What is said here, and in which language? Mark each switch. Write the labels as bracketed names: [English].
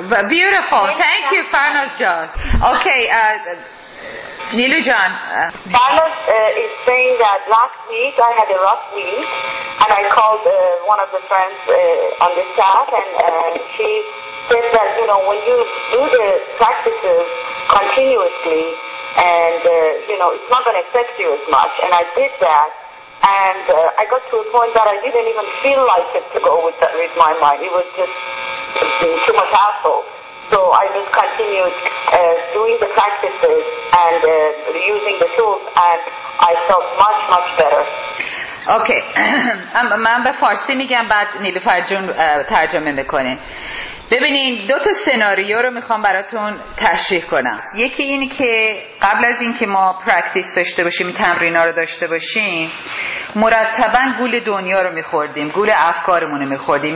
[English] Beautiful, thank you Farnaz just. Okay, Nilu John. Farnaz is saying that last week I had a rough week and I called one of the friends on the staff and she said that, you know, when you do the practices continuously and, you know, it's not going to affect you as much. And I did that and I got to a point that I didn't even feel like it to go with that with my mind. It was just too much hassle. So I just continued doing the practices and using the tools and I felt much, much better. Okay. [Persian] من به فارسی میگم بعد نیلوفر جون ترجمه میکنه. ببینین دو تا سناریو رو میخوام براتون تشریح کنم. یکی این که قبل از این که ما پرکتیس داشته باشیم، تمرین ها رو داشته باشیم، مرتبا گول دنیا رو میخوردیم، گول افکارمون رو میخوردیم.